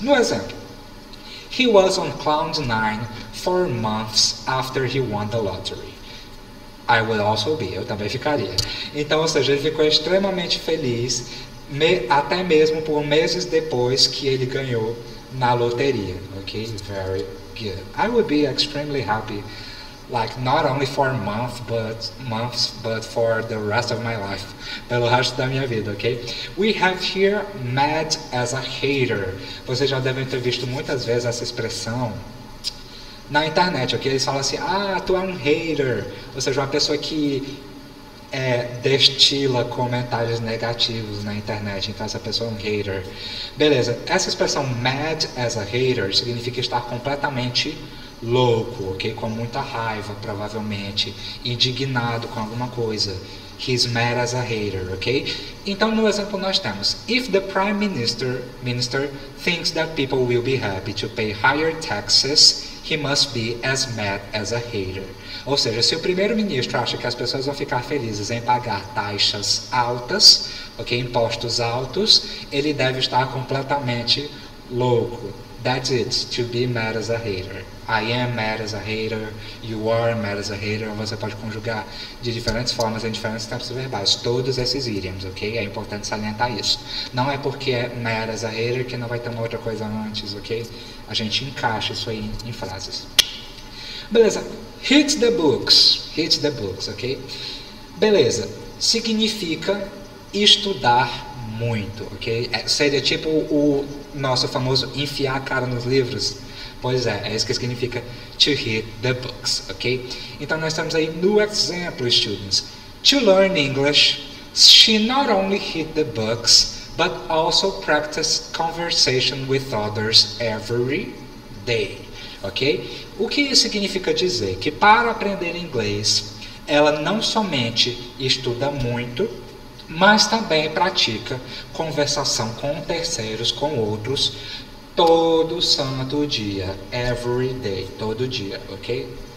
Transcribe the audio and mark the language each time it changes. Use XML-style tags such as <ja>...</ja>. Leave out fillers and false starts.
<pt>No exemplo,</pt> <en>he was on cloud nine for months after he won the lottery. I would also be.</en> <pt>Eu também ficaria. Então, ou seja, ele ficou extremamente feliz até mesmo por meses depois que ele ganhou na loteria.</pt> <en>Ok? Very good. I would be extremely happy, like, not only for months, but for the rest of my life.</en> <pt>Pelo resto da minha vida,</pt> <en>ok? We have here mad as a hater.</en> <pt>Vocês já devem ter visto muitas vezes essa expressão na internet, ok? Eles falam assim, ah, tu é um hater. Ou seja, uma pessoa que destila comentários negativos na internet. Então, essa pessoa é um hater. Beleza, essa expressão</pt> <en>mad as a hater</en> <pt>significa estar completamente louco, ok? Com muita raiva, provavelmente. Indignado com alguma coisa.</pt> <en>He's mad as a hater, ok?</en> <pt>Então, no exemplo, nós temos,</pt> <en>if the prime minister thinks that people will be happy to pay higher taxes, he must be as mad as a hater.</en> <pt>Ou seja, se o primeiro-ministro acha que as pessoas vão ficar felizes em pagar taxas altas, ok, impostos altos, ele deve estar completamente louco.</pt> <en>That's it, to be mad as a hater. I am mad as a hater, you are mad as a hater.</en> <pt>Você pode conjugar de diferentes formas, em diferentes tempos verbais, todos esses idioms, ok? É importante salientar isso. Não é porque é</pt> <en>mad as a hater</en> <pt>que não vai ter uma outra coisa antes, ok? A gente encaixa isso aí em frases. Beleza,</pt> <en>hit the books,</en> <pt>ok? Beleza, significa estudar muito, ok? Seria tipo o nosso famoso enfiar a cara nos livros. Pois é isso que significa</pt> <en>to hit the books,</en> <pt>ok? Então, nós temos aí no exemplo, students.</pt> <en>To learn English, she not only hit the books, but also practiced conversation with others every day, ok?</en> <pt>O que isso significa dizer? Que para aprender inglês, ela não somente estuda muito, mas também pratica conversação com terceiros, com outros, todo santo dia,</pt> <en>every day,</en> <pt>todo dia, ok?</pt>